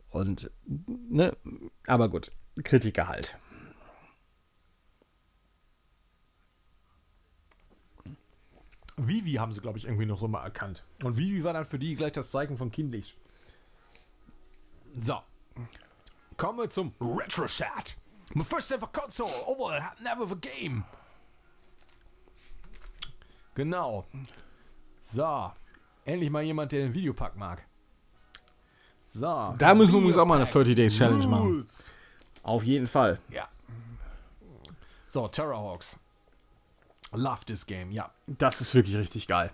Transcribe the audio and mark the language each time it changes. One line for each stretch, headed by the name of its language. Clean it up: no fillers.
German: Und, ne, aber gut, Kritiker halt. Vivi haben sie, glaube ich, irgendwie noch so mal erkannt. Und Vivi war dann für die gleich das Zeichen von kindlich. So. Kommen wir zum Retro-Chat.
English: My first ever console, overall, had never a game.
German: Genau. So. Endlich mal jemand, der den Videopack mag. So. Da müssen wir übrigens auch mal eine 30-Days-Challenge machen. Auf jeden Fall. Ja. So, Terrorhawks.
English: Love this game,
German: ja. Das ist wirklich richtig geil.